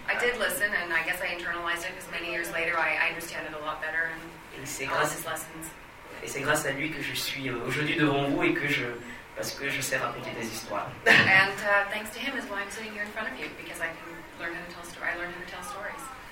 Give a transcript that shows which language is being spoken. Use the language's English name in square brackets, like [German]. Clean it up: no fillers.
[English] I did listen and I guess I internalized it because many years later I understand it a lot better and [French] c'est grâce [English] his lessons. [French] Et c'est grâce à lui que je suis aujourd'hui devant vous et que je sais raconter des histoires. [English] And thanks to him is why I'm sitting here in front of you because I can learn how to tell stories. I learn how to tell stories.